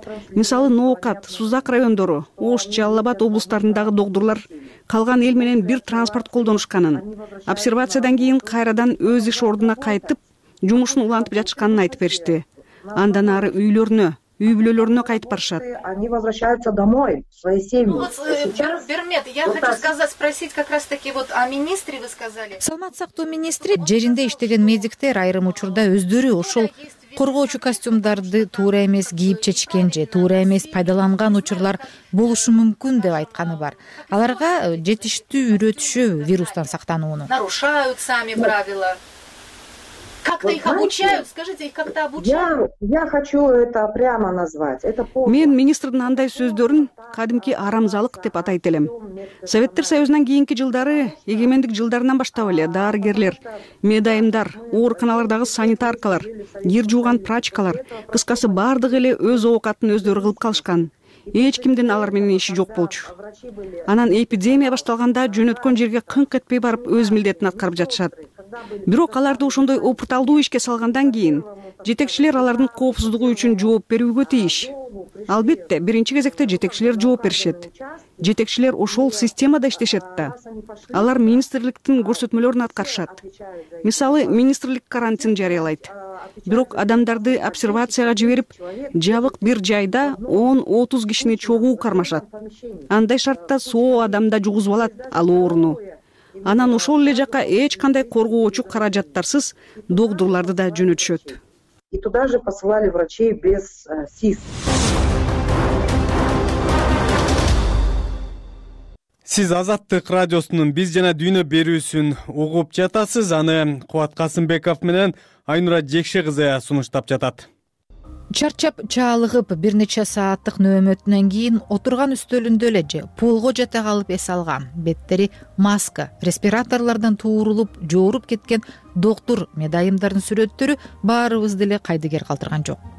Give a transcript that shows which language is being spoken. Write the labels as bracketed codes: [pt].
[ky] Мисалы, Ноокат, Сузак райондору, Ош, Жалал-Абад облустарындагы доктурлар калган эл менен бир транспорт колдонушканын, обсервациядан кийин кайрадан өз иш ордуна кайтып, жумушун улантып жатышканын айтып беришти. Андан ары үйлөрүнө, үй бүлөлөрүнө кайтып барышат. [ru] Они возвращаются домой, в свои семьи. Ну, Бермет, я хочу сказать, спросить как раз таки вот о министре вы сказали. [ky] Саламат сактоо министри жеринде иштеген медиктер айрым учурда өздөрү ошол коргоочу костюмдарды туура эмес кийип чечкен же туура эмес пайдаланган учурлар болушу мүмкүн деп айтканы бар. Аларга жетиштүү үйрөтүшү вирустан сактанууну. [ru] Нарушают сами правила. Как-то их обучают? Скажите, их как-то обучают? Я хочу это прямо назвать. Это полное. [ky] Мен министрдин андай сөздөрүн кадимки арамзалык деп атайт элем. Советтер Союзунан кийинки жылдары, эгемендик жылдарынан баштап эле дарыгерлер, медайымдар, ооруканалардагы санитаркалар, кир жууган прачкалар, кыскасы бардыгы эле өз оокатын өздөрү кылып калышкан. Эч кимдин алар менен иши жок болчу. Анан эпидемия башталганда жөнөткөн жерге кыңк этпей барып өз милдетин аткарып жатышат. Бирок аларды ошондой опурталдуу ишке салгандан кийин жетекчилер алардын коопсуздугу үчүн жооп берүүгө тийиш. Албетте, биринчи кезекте жетекчилер жооп беришет. Жетекчилер ошол системада иштешет да. Алар министрликтин көрсөтмөлөрүн аткарышат. Мисалы, министрлик карантин жарыялайт. Бирок адамдарды обсервацияга жиберип, жабык бир жайда 10-30 кишини чогуу кармашат. Андай шартта соо адамда жугузуп алат ал ооруну. Анан ошол эле жакка эч кандай коргоочу каражаттарсыз доктурларды да жөнөтүшөт. [ru] И туда же посылали врачей без СИЗ. [ky] Сиз Азаттык радиосунун биз жана дүйнө берүүсүн угуп жатасыз. Аны Кубат Касымбеков менен Айнура Жекше кызы сунуштап жатат. Чарчап чаалыгып бир нече сааттык нөөмөтүнөн кийин отурган үстөлүндө эле же полго жата калып эс алган, беттери маска, респираторлордон туурулуп жоруп кеткен доктур медайымдардын сүрөттөрү баарыбызды эле кайдыгер калтырган жок.